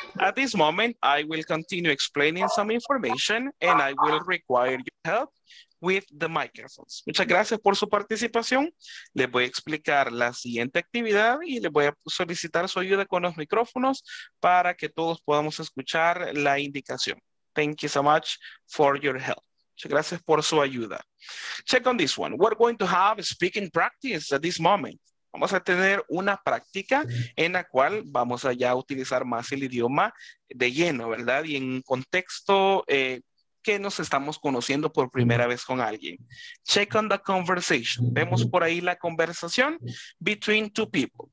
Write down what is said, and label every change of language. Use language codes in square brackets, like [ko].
[en] At this moment, I will continue explaining some information and I will require your help with the microphones. [es] Muchas gracias por su participación. Les voy a explicar la siguiente actividad y les voy a solicitar su ayuda con los micrófonos para que todos podamos escuchar la indicación. [en] Thank you so much for your help. [es] Gracias por su ayuda. [en] Check on this one. We're going to have speaking practice at this moment. [es] Vamos a tener una práctica en la cual vamos a ya utilizar más el idioma de lleno, ¿verdad? Y en un contexto que nos estamos conociendo por primera vez con alguien. [en] Check on the conversation. [es] Vemos por ahí la conversación [en] between two people.